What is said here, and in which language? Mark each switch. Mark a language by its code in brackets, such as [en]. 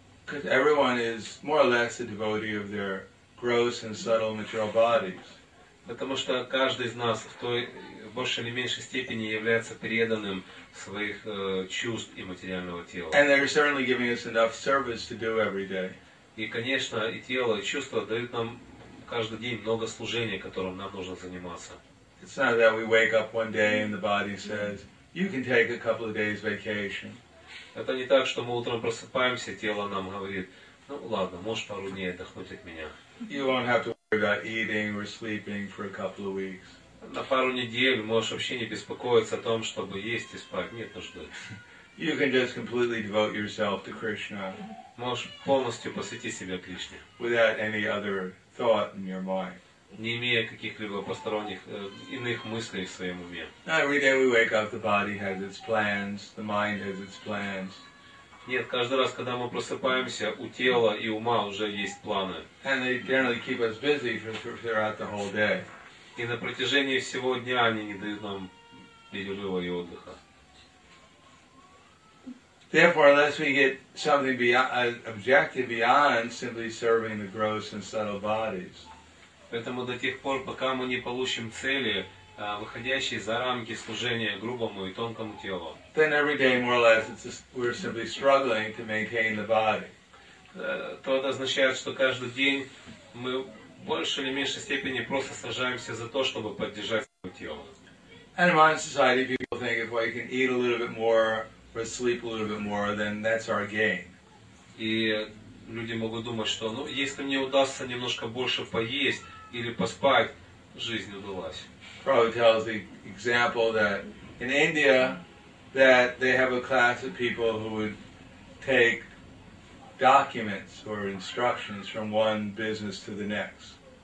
[en] Because everyone is more or less a devotee of their gross and subtle material bodies. [ru] Потому что каждый из нас в той большей или меньшей степени является преданным своих чувств и материального тела. [en] And they're certainly giving us enough service to do every day. [ru] И, конечно, и тело, и чувства дают нам каждый день много служения, которым нам нужно заниматься. [en] It's not that we wake up one day and the body says, you can take a couple of days vacation. [ru] Это не так, что мы утром просыпаемся, тело нам говорит, ну ладно, можешь пару дней отдохнуть от меня. [en] You won't have to worry about eating or sleeping for a couple of weeks. [ru] На пару недель можешь вообще не беспокоиться о том, чтобы есть и спать, нет нужды. [en] You can just completely devote yourself to Krishna. [ru] Можешь полностью посвятить себя Кришне. [en] Without any other thought in your mind. [ru] Не имея каких-либо посторонних иных мыслей в своем уме. [en] Every day we wake up, the body has its plans, the mind has its plans. [ru] Нет, каждый раз, когда мы просыпаемся, у тела и ума уже есть планы. [en] And they generally keep us busy throughout the whole day. [ru] И на протяжении всего дня они не дают нам перерыва и отдыха. [en] Therefore, unless we get something beyond, objective beyond simply serving the gross and subtle bodies. [ru] Поэтому до тех пор, пока мы не получим цели, выходящие за рамки служения грубому и тонкому телу. [en] Then every day, more or less, we're simply struggling to maintain the body. [ru] То это означает, что каждый день мы в большей или меньшей степени просто сражаемся за то, чтобы поддержать свое тело. [en] And in modern society, people think if we can eat a little bit more or sleep a little bit more, then that's our gain. [ru] И люди могут думать, что, ну, если мне удастся немножко больше поесть или поспать, жизнь удалась. [en] Probably tells the example that in India, that they have a class of people who would take documents or instructions from one business to the next.